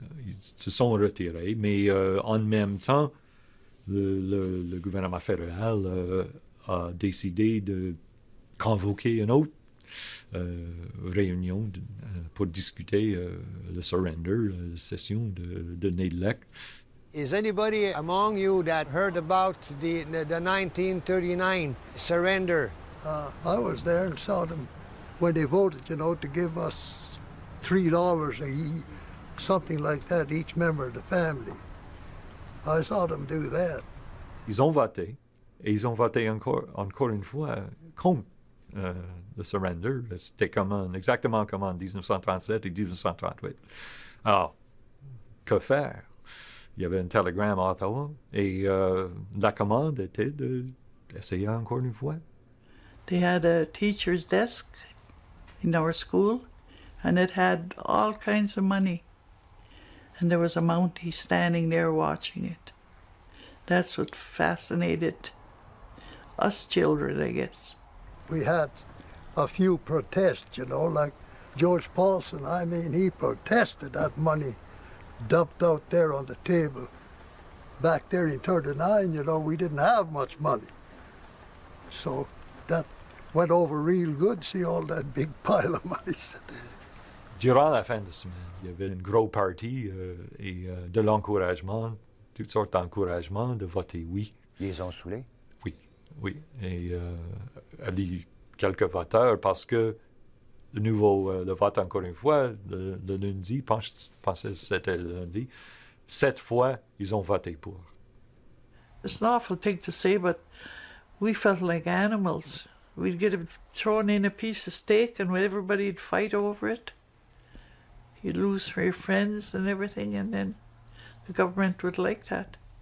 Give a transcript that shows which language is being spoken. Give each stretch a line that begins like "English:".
French: Ils se sont retirés, mais en même temps, le gouvernement fédéral a décidé de convoquer une autre réunion pour discuter le surrender, la cession de Nidlec.
English: Is anybody among you that heard about the 1939 surrender? I was there and saw them when they voted, you know, to give us $3 a year, something like that, each member of the family. I saw them do that.
French: Ils ont voté, et ils ont voté encore une fois contre le surrender. C'était exactement comme en 1937 et 1938. Alors, que faire? Il y avait un télégramme à Ottawa, et la commande était d'essayer encore une fois.
English: They had a teacher's desk in our school, and it had all kinds of money. And there was a Mountie standing there watching it. That's what fascinated us children, I guess. We had a few protests, you know, like George Paulson. I mean, he protested that money dumped out there on the table. Back there in 39, you know, we didn't have much money. So that went over real good, see all that big pile of money.
French: Durant la fin de semaine, il y avait une grosse partie de l'encouragement, toutes sortes d'encouragements de voter oui. Ils ont saoulé? Oui. Et il y a eu quelques voteurs parce que le nouveau, le vote encore une fois, le lundi, pensez que c'était le lundi, sept fois, ils ont voté pour.
English: It's an awful thing to say, but we felt like animals. We'd get thrown in a piece of steak and everybody would fight over it. You'd lose your friends and everything, and then the government would like that.